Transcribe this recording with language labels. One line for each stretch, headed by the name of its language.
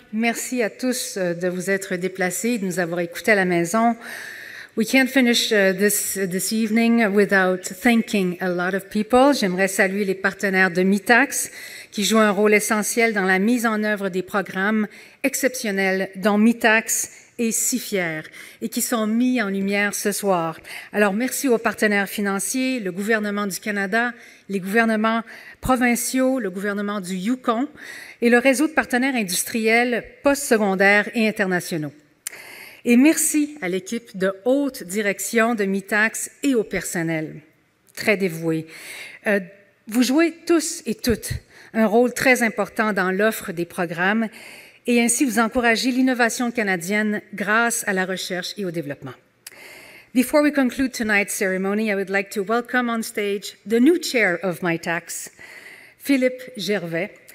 French: Merci à tous de vous être déplacés, de nous avoir écoutés à la maison.
English: We can't finish this evening without thanking a lot of people.
French: J'aimerais saluer les partenaires de MyTax qui jouent un rôle essentiel dans la mise en œuvre des programmes exceptionnels dont MyTax est si fier et qui sont mis en lumière ce soir. Alors merci aux partenaires financiers, le gouvernement du Canada, les gouvernements provinciaux, le gouvernement du Yukon et le réseau de partenaires industriels postsecondaires et internationaux. Et merci à l'équipe de haute direction de MyTax et au personnel, très dévoué. Vous jouez tous et toutes un rôle très important dans l'offre des programmes et ainsi vous encouragez l'innovation canadienne grâce à la recherche et au développement.
English: Before we conclude tonight's ceremony, I would like to welcome on stage the new chair of MyTax, Philippe Gervais.